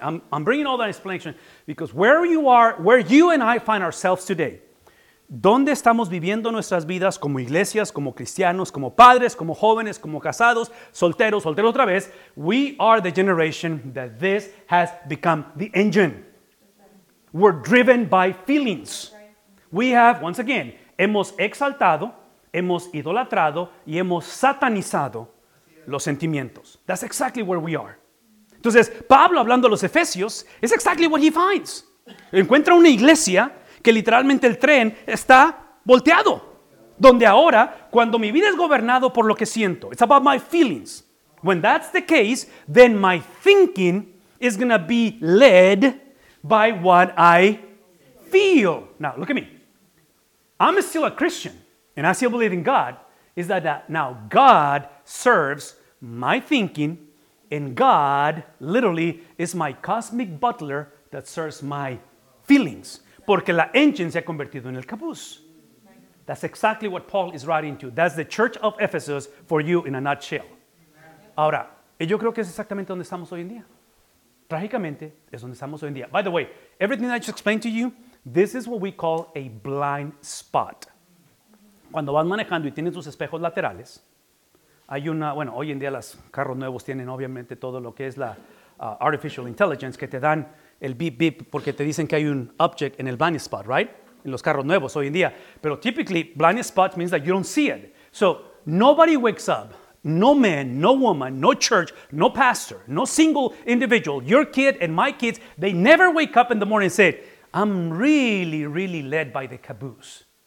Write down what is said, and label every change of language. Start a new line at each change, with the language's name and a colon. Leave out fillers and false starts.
English: I'm bringing all that explanation because where you are, where you and I find ourselves today,
Spanish: ¿dónde estamos viviendo nuestras vidas como iglesias, como cristianos, como padres, como jóvenes, como casados, solteros, solteros otra vez?
English: We are the generation that this has become the engine. We're driven by feelings. We have, once again,
Spanish: hemos exaltado, hemos idolatrado y hemos satanizado los sentimientos.
English: That's exactly where we are.
Spanish: Entonces, Pablo hablando a los Efesios,
English: is exactly what he finds.
Spanish: Encuentra una iglesia que literalmente el tren está volteado. Donde ahora, cuando mi vida es gobernado por lo que siento.
English: It's about my feelings. When that's the case, then my thinking is going to be led by what I feel. Now, look at me. I'm still a Christian, and I still believe in God. Is that now God serves my thinking, and God literally is my cosmic butler that serves my feelings.
Spanish: Porque la engine se ha convertido en el caboose.
English: That's exactly what Paul is writing to. That's the church of Ephesus for you in a nutshell.
Spanish: Ahora, yo creo que es exactamente donde estamos hoy en día. Trágicamente, es donde estamos hoy en día.
English: By the way, everything I just explained to you, this is what we call a blind spot.
Spanish: Cuando vas manejando y tienes tus espejos laterales, hay una, bueno, hoy en día los carros nuevos tienen obviamente todo lo que es la
English: artificial intelligence
Spanish: que te dan el beep beep porque te dicen que hay un object en el
English: blind spot, right?
Spanish: En los carros nuevos hoy en día. Pero
English: typically, blind spot means that you don't see it. So, nobody wakes up, no man, no woman, no church, no pastor, no single individual, your kid and my kids, they never wake up in the morning and say, I'm really, really led by the caboose.